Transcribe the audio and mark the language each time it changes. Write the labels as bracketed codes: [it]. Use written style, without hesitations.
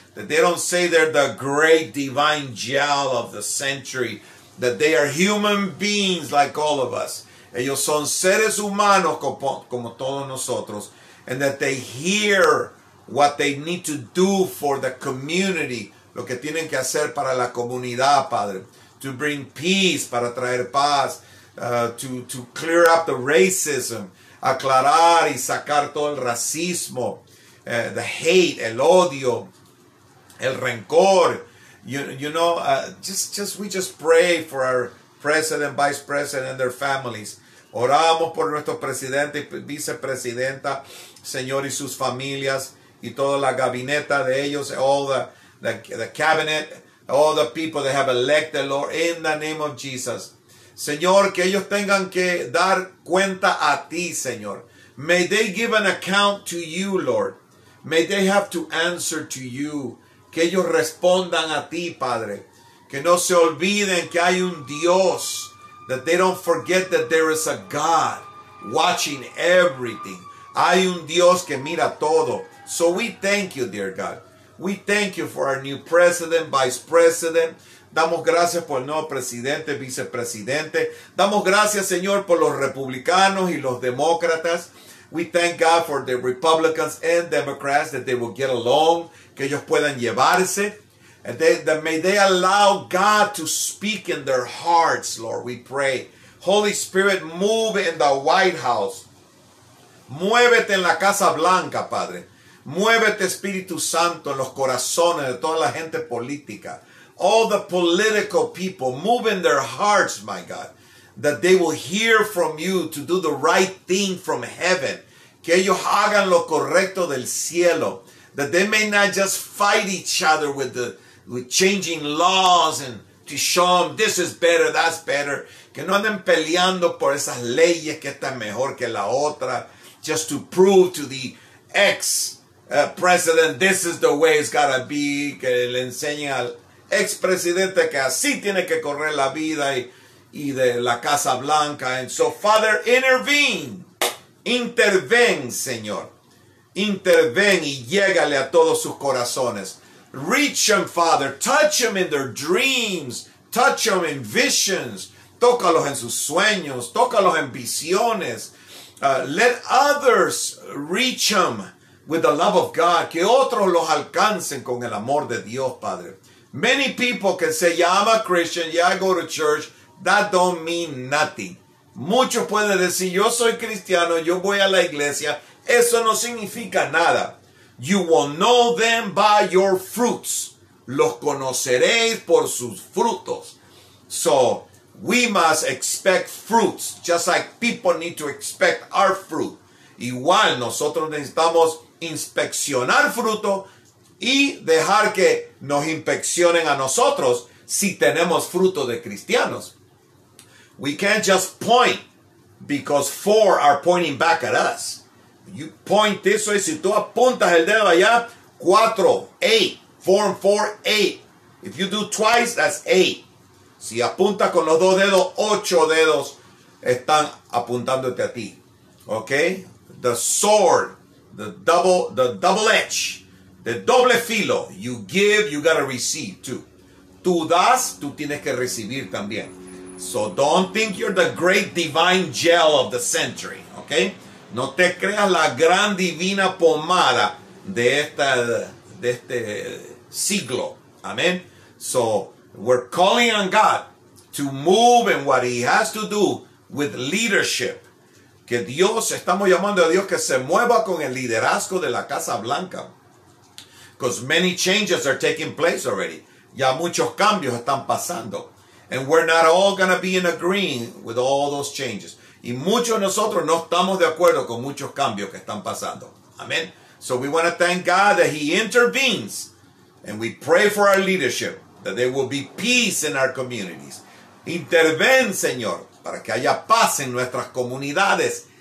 [en] That they don't say they're the great divine gel of the century. That they are human beings like all of us. [es] Ellos son seres humanos como todos nosotros. [en] And that they hear what they need to do for the community. [es] Lo que tienen que hacer para la comunidad, Padre. [en] To bring peace, [es] para traer paz. [en] To clear up the racism. [es] Aclarar y sacar todo el racismo. [en] The hate, [es] el odio, el rencor. [en] We just pray for our president, vice president, and their families. [es] Oramos por nuestro presidente y vicepresidenta, Señor, y sus familias, y toda la gabineta de ellos, [en] all the cabinet, all the people that have elected, Lord, in the name of Jesus. [es] Señor, que ellos tengan que dar cuenta a ti, Señor. [en] May they give an account to you, Lord. May they have to answer to you. [es] Que ellos respondan a ti, Padre. Que no se olviden que hay un Dios. [en] That they don't forget that there is a God watching everything. [es] Hay un Dios que mira todo. [en] So we thank you, dear God. We thank you for our new president, vice president. [es] Damos gracias por el nuevo presidente, vicepresidente. Damos gracias, Señor, por los republicanos y los demócratas. [en] We thank God for the Republicans and Democrats that they will get along. [es] Que ellos puedan llevarse. [en] And that may they allow God to speak in their hearts, Lord, we pray. Holy Spirit, move in the White House. [es] Muévete en la Casa Blanca, Padre. Muévete, Espíritu Santo, en los corazones de toda la gente política. [en] All the political people, move in their hearts, my God. That they will hear from you to do the right thing from heaven. [es] Que ellos hagan lo correcto del cielo. [en] That they may not just fight each other with changing laws and to show them this is better, that's better. [es] Que no anden peleando por esas leyes que están mejor que la otra. [en] Just to prove to the ex-president this is the way it's got to be. [es] Que le enseñen al ex-presidente que así tiene que correr la vida y de la Casa Blanca. [en] And so, Father, intervene. [es] Interven, Señor. Interven y llégale a todos sus corazones. [en] Reach them, Father. Touch them in their dreams. Touch them in visions. [es] Tócalos en sus sueños. Tócalos en visiones. [en] Let others reach them with the love of God. [es] Que otros los alcancen con el amor de Dios, Padre. [en] Many people can say, yeah, I'm a Christian. Yeah, I go to church. That don't mean nothing. [es] Muchos pueden decir, yo soy cristiano. Yo voy a la iglesia. Eso no significa nada. [en] You will know them by your fruits. [es] Los conoceréis por sus frutos. [en] So, we must expect fruits. Just like people need to expect our fruit. [es] Igual, nosotros necesitamos inspeccionar fruto y dejar que nos inspeccionen a nosotros si tenemos fruto de cristianos. [en] We can't just point because four are pointing back at us. You point this way. [es] Si tú apuntas el dedo allá, 4, 8, 4, 4, 8. [en] If you do twice, that's 8. [es] Si apuntas con los dos dedos, 8 dedos están apuntándote a ti. [en] Okay? The sword, the double edge, [es] the doble filo. [en] You give, you gotta receive too. [es] Tú das, tú tienes que recibir también. [en] So don't think you're the great divine gel of the century. Okay? [es] No te creas la gran divina pomada de este siglo. [en] Amen. So we're calling on God to move in what he has to do with leadership. [es] Que Dios, estamos llamando a Dios que se mueva con el liderazgo de la Casa Blanca. [en] Because many changes are taking place already. [es] Ya muchos cambios están pasando. [en] And we're not all going to be in agreeing with all those changes. [es] Y muchos de nosotros no estamos de acuerdo con muchos cambios que están pasando. [en] Amen. So we want to thank God that he intervenes. And we pray for our leadership. That there will be peace in our communities. [es] Interven, Señor, para que haya paz en nuestras comunidades.